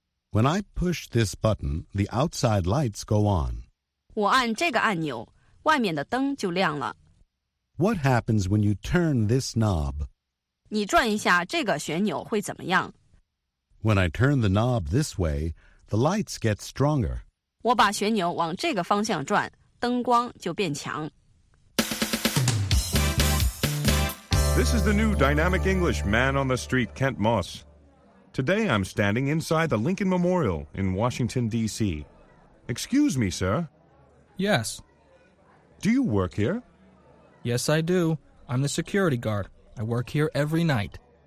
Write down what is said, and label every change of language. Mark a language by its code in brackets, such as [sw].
[en] When I push this button, the outside lights go on. [zh] 我按这个按钮，外面的灯就亮了。 [en] What happens when you turn this knob? [zh] 你转一下这个旋钮会怎么样？ [en] When I turn the knob this way, the lights get stronger. [zh] 我把旋钮往这个方向转，灯光就变强。 [en] This is the new dynamic English man on the street, Kent Moss. Today I'm standing inside the Lincoln Memorial in Washington, D.C. Excuse me, sir. Yes. Do you work here? Yes, I do. I'm the security guard. I work here every night.